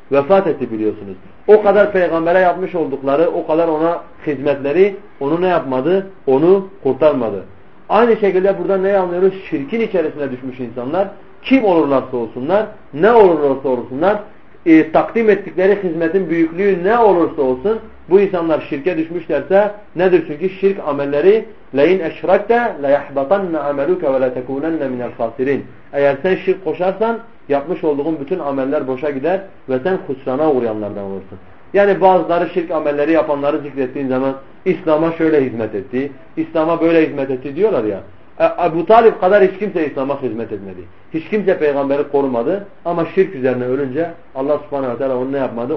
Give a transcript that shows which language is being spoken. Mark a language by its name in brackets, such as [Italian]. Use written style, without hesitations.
[Turkish] Vefat etti biliyorsunuz. O kadar peygambere yapmış oldukları, o kadar ona hizmetleri onu ne yapmadı? Onu kurtarmadı. Aynı şekilde burada neyi anlıyoruz? Şirkin içerisine düşmüş insanlar, kim olurlarsa olsunlar, ne olurlarsa olsunlar, takdim ettikleri hizmetin büyüklüğü ne olursa olsun, bu insanlar şirke düşmüşlerse nedir? Çünkü şirk amelleri [Arabic] لَاِنْ اَشْرَكْتَ لَيَحْبَطَنَّ عَمَلُكَ وَلَتَكُونَنَّ مِنَ الْخَاسِرِينَ. [Turkish] Eğer sen şirk koşarsan yapmış olduğun bütün ameller boşa gider ve sen husrana uğrayanlardan olursun. Yani bazıları şirk amelleri yapanları zikrettiğin zaman İslam'a şöyle hizmet etti, İslam'a böyle hizmet etti diyorlar ya. Ebu Talib kadar hiç kimse İslam'a hizmet etmedi. Hiç kimse peygamberi korumadı ama şirk üzerine ölünce Allah subhanahu wa ta'ala onu ne yapmadı?